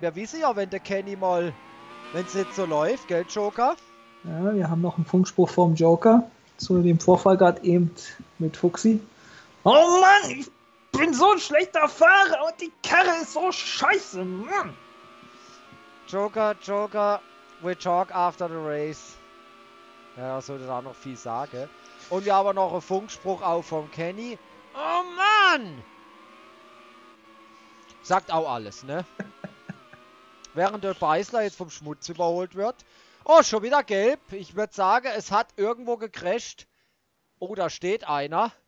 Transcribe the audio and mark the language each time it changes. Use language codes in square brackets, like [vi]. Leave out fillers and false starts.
[de] Wir wissen ja, wenn der Kenny mal, wenn es jetzt so läuft, gell, Joker? Ja, wir haben noch einen Funkspruch vom Joker zu dem Vorfall gerade eben mit Fuchsi. Oh Mann, ich bin so ein schlechter Fahrer und die Karre ist so scheiße, Mann. [en] Joker, we talk after the race. [de] Ja, da sollte da noch viel sagen. Und wir haben noch einen Funkspruch auch vom Kenny. Oh Mann! Sagt auch alles, ne? Während der Beißler jetzt vom Schmutz überholt wird. Oh, schon wieder gelb. Ich würde sagen, es hat irgendwo gecrasht. Oh, da steht einer.